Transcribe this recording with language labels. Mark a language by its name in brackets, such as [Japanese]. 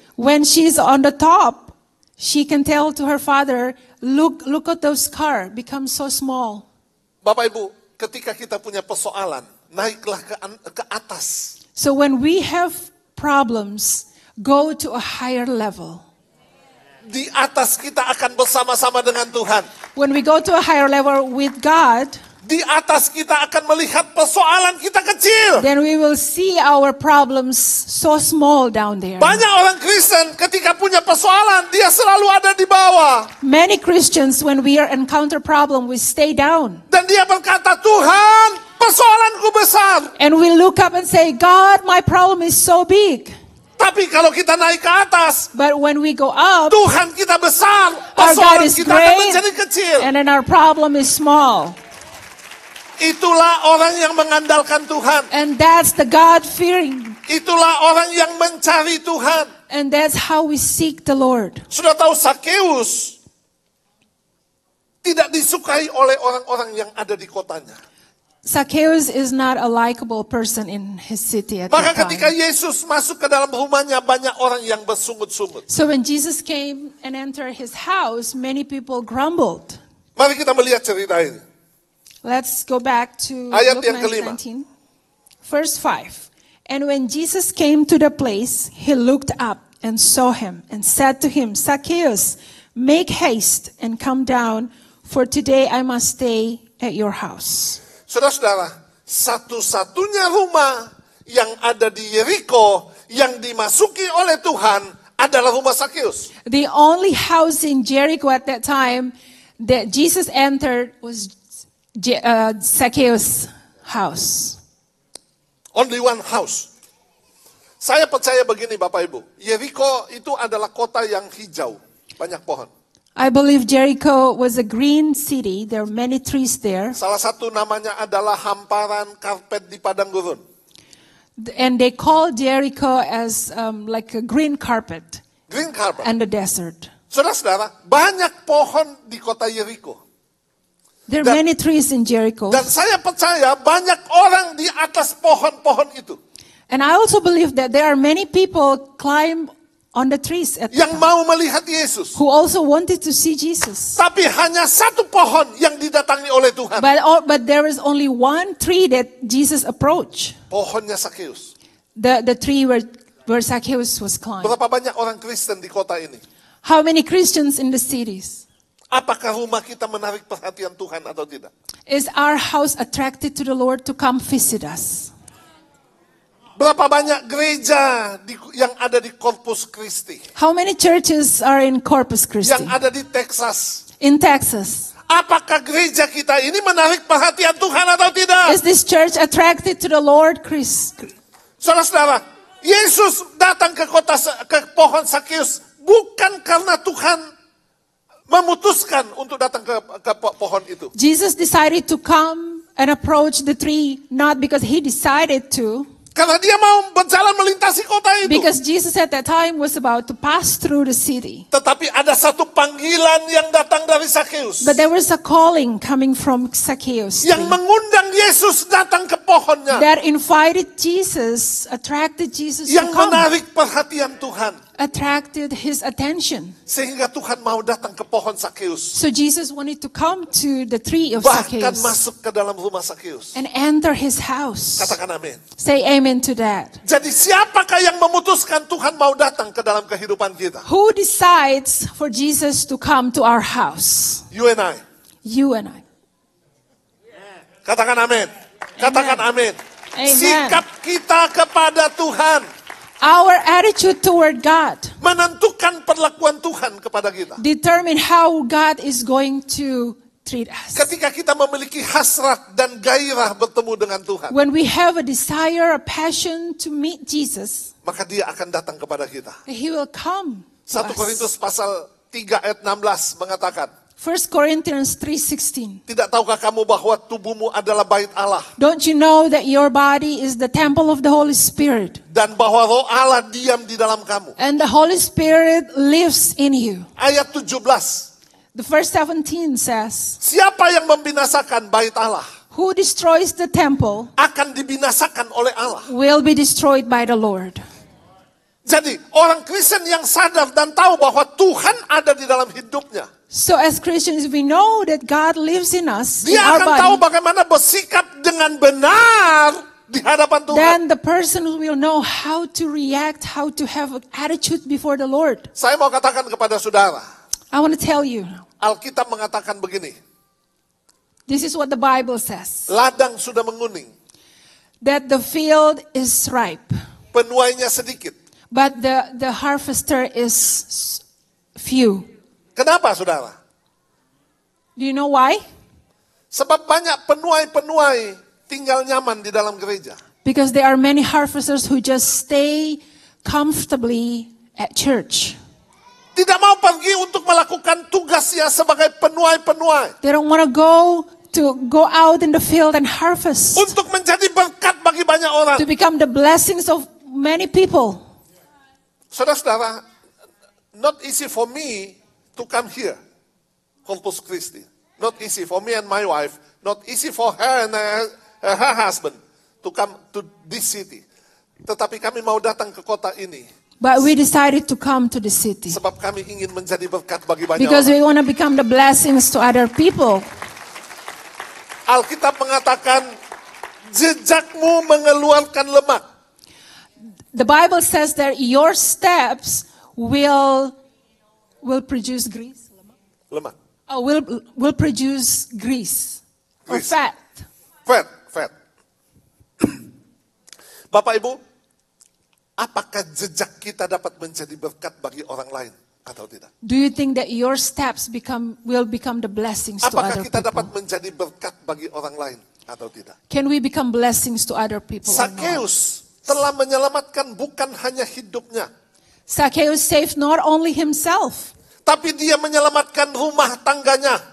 [English] When she's on the top, she can tell to her father, look at those car, become so small. [Indonesian] Bapak Ibu, ketika kita punya persoalan, naiklah ke atas. [English] So when we have problems, go to a higher level. [Indonesian] Di atas kita akan bersama-sama dengan Tuhan. [English] When we go to a higher level with God, [Indonesian] di atas kita akan melihat persoalan kita kecil. [English] Then we will see our problems so small down there. [Indonesian] Banyak orang Kristen ketika punya persoalan, dia selalu ada di bawah. [English] Many Christians, when we encounter problem, we stay down. [Indonesian] Dan dia berkata, Tuhan, persoalanku besar. [English] And we look up and say, God, my problem is so big. [Indonesian] Tapi kalau kita naik ke atas, [English] but when we go up, [Indonesian] Tuhan kita besar, persoalan kita akan menjadi kecil. [English] And then our problem is small. [Indonesian] Itulah orang yang mengandalkan Tuhan. [English] And that's the God-fearing. [Indonesian] Itulah orang yang mencari Tuhan. [English] And that's how we seek the Lord. [Indonesian] Sudah tahu Zakheus tidak disukai oleh orang-orang yang ada di kotanya. [English] Zacchaeus is not a likable person in his city at that time. [Indonesian] Maka ketika Yesus masuk ke dalam rumahnya, banyak orang yang bersungut-sungut. [English] So when Jesus came and entered his house, many people grumbled. [Indonesian] Mari kita melihat cerita ini. [English] Let's go back to [Indonesian] ayat yang kelima. [English] Verse 5. And when Jesus came to the place, he looked up and saw him and said to him, Zacchaeus, make haste and come down, for today I must stay at your house. [Indonesian] Saudara-saudara, satu-satunya rumah yang ada di Yeriko yang dimasuki oleh Tuhan adalah rumah Zacchaeus. [English] The only house in Jericho at that time that Jesus entered was Zacchaeus' house. Only one house. [Indonesian] Saya percaya begini, Bapak Ibu. Yeriko itu adalah kota yang hijau, banyak pohon. [English] I believe Jericho was a green city. There are many trees there. [Indonesian] Salah satu namanya adalah hamparan karpet di padang gurun. [English] And they call Jericho as like a green carpet. Green carpet. And the desert. [Indonesian] Saudara-saudara, banyak pohon di kota Jericho. [English] There are many trees in Jericho. [Indonesian] Dan saya percaya banyak orang di atas pohon-pohon itu. [English] And I also believe that there are many people climb on the trees at [Indonesian] yang mau melihat Yesus. [English] Who also wanted to see Jesus. [Indonesian] Tapi hanya satu pohon yang didatangi oleh Tuhan. [English] But there is only one tree that Jesus approach. [Indonesian] Pohonnya Zacchaeus. [English] The tree where Zacchaeus was climbed. [Indonesian] Berapa banyak orang Kristen di kota ini? [English] How many Christians in the cities? [Indonesian] Apakah rumah kita menarik perhatian Tuhan atau tidak? [English] Is our house attracted to the Lord to come visit us? [Indonesian] Berapa banyak gereja yang ada di Corpus Christi? [English] How many churches are in Corpus Christi? [Indonesian] Yang ada di Texas. [English] In Texas. [Indonesian] Apakah gereja kita ini menarik perhatian Tuhan atau tidak? [English] Is this church attracted to the Lord, Chris? [Indonesian] Saudara-saudara, Yesus datang ke pohon Zacchaeus bukan karena Tuhan memutuskan untuk datang ke pohon itu. [English] Jesus decided to come and approach the tree not because he decided to. [Indonesian] Karena dia mau berjalan melintasi kota itu. [English] Because Jesus at that time was about to pass through the city. [Indonesian] Tetapi ada satu panggilan yang datang dari Zacchaeus. [English] But there was a calling coming from Zacchaeus. [Indonesian] Yang mengundang Yesus datang ke pohonnya. [English] That invited Jesus, attracted Jesus [Indonesian] yang [English] to come. [Indonesian] Yang menarik perhatian Tuhan. [English] Attracted his attention. [Indonesian] Sehingga Tuhan mau datang ke pohon Zacchaeus. [English] So Jesus wanted to come to the tree of Zacchaeus. [Indonesian] masuk ke dalam rumah Zacchaeus. [English] And enter his house. [Indonesian] Katakan amin. [English] Say amen to that. [Indonesian] Jadi siapakah yang memutuskan Tuhan mau datang ke dalam kehidupan kita? [English] Who decides for Jesus to come to our house? You and I. You and I. [Indonesian] Katakan amin. Katakan amin. [English] Amen. [Indonesian] Sikap kita kepada Tuhan. [English] Our attitude toward God [Indonesian] menentukan perlakuan Tuhan kepada kita. [English] Determine how God is going to treat us. [Indonesian] Ketika kita memiliki hasrat dan gairah bertemu dengan Tuhan. [English] When we have a desire, a passion to meet Jesus, [Indonesian] maka dia akan datang kepada kita. [English] He will come. [Indonesian] 1 Korintus pasal 3 ayat 16 mengatakan. [English] 1 Corinthians 3:16. [Indonesian] Tidak tahukah kamu bahwa tubuhmu adalah bait Allah? [English] Don't you know that your body is the temple of the Holy Spirit? [Indonesian] Dan bahwa Roh Allah diam di dalam kamu. [English] And the Holy Spirit lives in you. [Indonesian] Ayat 17. [English] The verse 17 says. [Indonesian] Siapa yang membinasakan bait Allah? [English] Who destroys the temple? [Indonesian] Akan dibinasakan oleh Allah. [English] Will be destroyed by the Lord. [Indonesian] Jadi orang Kristen yang sadar dan tahu bahwa Tuhan ada di dalam hidupnya. [English] So as Christians we know that God lives in us. [Indonesian] Dia akan [English] body, [Indonesian] tahu bagaimana bersikap dengan benar di hadapan Tuhan. [English] Then the person will know how to react, how to have an attitude before the Lord. [Indonesian] Saya mau katakan kepada saudara. [English] I want to tell you. [Indonesian] Alkitab mengatakan begini. [English] This is what the Bible says. [Indonesian] Ladang sudah menguning. [English] That the field is ripe. [Indonesian] Penuainya sedikit. [English] But the harvester is few. [Indonesian] Kenapa, saudara? [English] Do you know why? [Indonesian] Sebab banyak penuai-penuai tinggal nyaman di dalam gereja. [English] Because there are many harvesters who just stay comfortably at church. [Indonesian] Tidak mau pergi untuk melakukan tugasnya sebagai penuai-penuai. [English] They don't want to go out in the field and harvest. [Indonesian] Untuk menjadi berkat bagi banyak orang. [English] To become the blessings of many people. [Indonesian] Saudara-saudara, [English] not easy for me to come here, Corpus Christi. Not easy for me and my wife. Not easy for her and her husband to come to this city. [Indonesian] Tetapi kami mau datang ke kota ini. [English] But we decided to come to the city. [Indonesian] Sebab kami ingin menjadi berkat bagi banyak [English] because [Indonesian] orang. [English] We want to become the blessings to other people. [Indonesian] Alkitab mengatakan, jejakmu mengeluarkan lemak. [English] The Bible says that your steps will produce grease. [Indonesian] Lemak. [English] Oh, will produce grease. Or fat. Fat. [Indonesian] Bapak Ibu, apakah jejak kita dapat menjadi berkat bagi orang lain atau tidak? [English] Do you think that your steps will become the blessings [Indonesian] apakah [English] to other [Indonesian] kita [English] people? [Indonesian] Apakah kita dapat menjadi berkat bagi orang lain atau tidak? [English] Can we become blessings to other people? [Indonesian] Zacchaeus telah menyelamatkan bukan hanya hidupnya. [English] Zacchaeus saved not only himself. [Indonesian] Tapi dia menyelamatkan rumah tangganya.